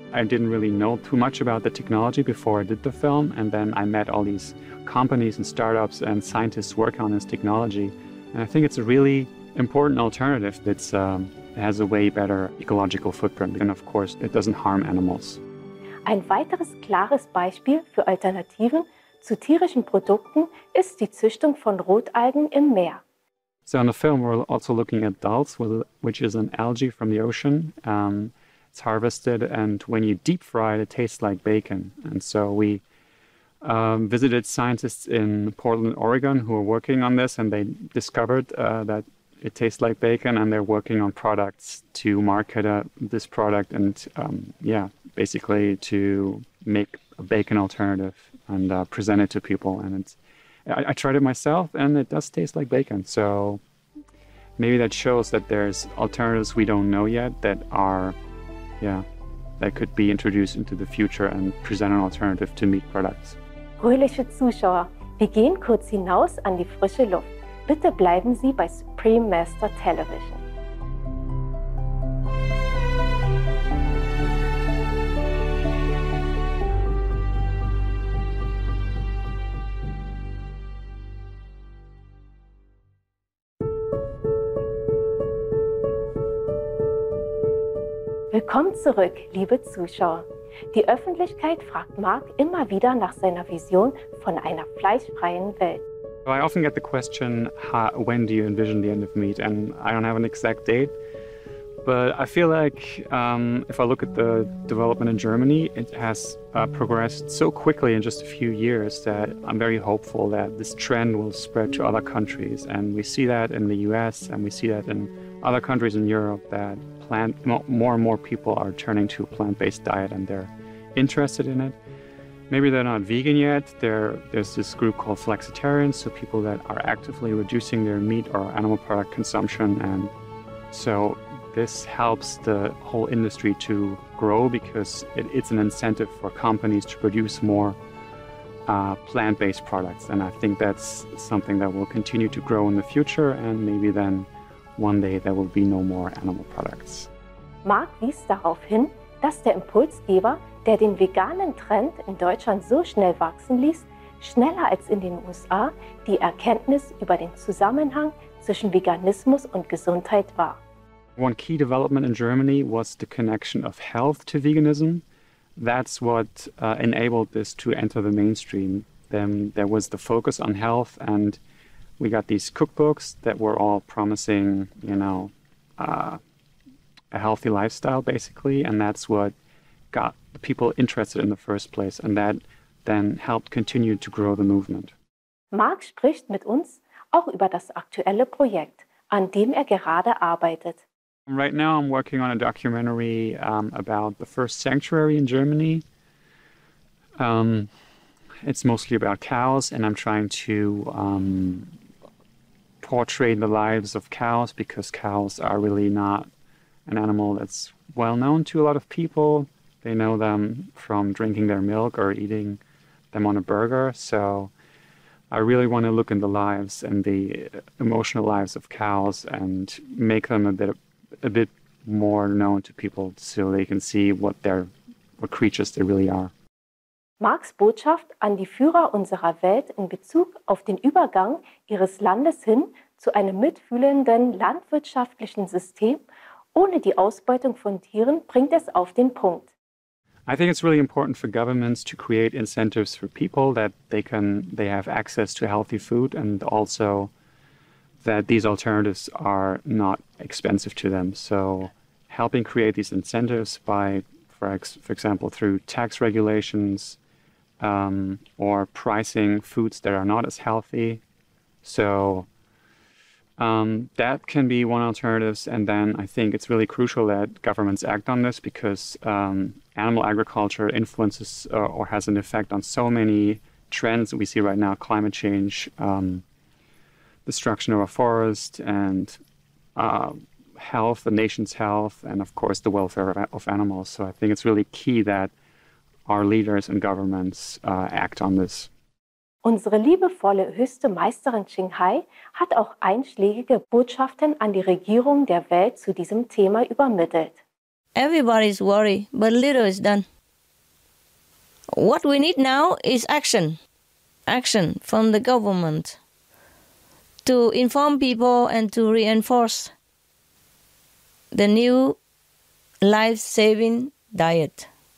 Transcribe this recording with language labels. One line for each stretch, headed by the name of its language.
English: I didn't really know too much about the technology before I did the film, and then I met all these companies and startups and scientists working on this technology. And I think it's a really important alternative that's has a way better ecological footprint, and of course it doesn't harm animals.
German: Ein weiteres klares Beispiel für Alternativen zu tierischen Produkten ist die Züchtung von Rotalgen im Meer.
English: So in the film we're also looking at dalts, which is an algae from the ocean. It's harvested, and when you deep fry it, it tastes like bacon. And so we visited scientists in Portland, Oregon, who are working on this, and they discovered that it tastes like bacon, and they're working on products to market this product and, basically to make a bacon alternative and present it to people. And I tried it myself, and it does taste like bacon. So maybe that shows that there's alternatives we don't know yet that are, that could be introduced into the future and present an alternative to meat products.
German: Fröhliche Zuschauer, wir gehen kurz hinaus an die frische Luft. Bitte bleiben Sie bei Supreme Master Television. Willkommen zurück, liebe Zuschauer. Die Öffentlichkeit fragt Mark immer wieder nach seiner Vision von einer fleischfreien Welt.
English: I often get the question, when do you envision the end of meat? And I don't have an exact date, but I feel like if I look at the development in Germany, it has progressed so quickly in just a few years that I'm very hopeful that this trend will spread to other countries. And we see that in the US, and we see that in other countries in Europe, that more and more people are turning to a plant-based diet and they're interested in it. Maybe they're not vegan yet. There's this group called flexitarians, so people that are actively reducing their meat or animal product consumption. And so this helps the whole industry to grow because it's an incentive for companies to produce more plant-based products. And I think that's something that will continue to grow in the future, and maybe then one day there will be no more animal products.
German: Mark wies darauf hin, dass der Impulsgeber, der den veganen Trend in Deutschland so schnell wachsen ließ, schneller als in den USA, die Erkenntnis über den Zusammenhang zwischen Veganismus und Gesundheit war.
English: One key development in Germany was the connection of health to veganism. That's what enabled this to enter the mainstream. Then there was the focus on health, and we got these cookbooks that were all promising, a healthy lifestyle, basically, and that's what got the people interested in the first place, and that then helped continue to grow the movement.
German: Mark spricht mit uns auch über das aktuelle Projekt, an dem gerade arbeitet.
English: Right now I'm working on a documentary about the first sanctuary in Germany. It's mostly about cows, and I'm trying to portray the lives of cows, because cows are really not an animal that's well known to a lot of people. They know them from drinking their milk or eating them on a burger. So I really want to look in the lives and the emotional lives of cows and make them a bit more known to people, so they can see what creatures they really are.
German: Marks Botschaft an die Führer unserer Welt in Bezug auf den Übergang ihres Landes hin zu einem mitfühlenden landwirtschaftlichen System ohne die Ausbeutung von Tieren bringt es auf den Punkt.
English: I think it's really important for governments to create incentives for people that they have access to healthy food, and also that these alternatives are not expensive to them. So helping create these incentives by, for example, through tax regulations or pricing foods that are not as healthy. So that can be one alternative. And then I think it's really crucial that governments act on this, because animal agriculture influences or has an effect on so many trends that we see right now: climate change, destruction of our forest, and health, the nation's health, and of course the welfare of animals. So I think it's really key that our leaders and governments act on this.
German: Unsere liebevolle höchste Meisterin Qinghai hat auch einschlägige Botschaften an die Regierung der Welt zu diesem Thema übermittelt.
English: Everybody's worried, but little is done. What we need now is action. Action from the government to inform people and to reinforce the new life-saving diet.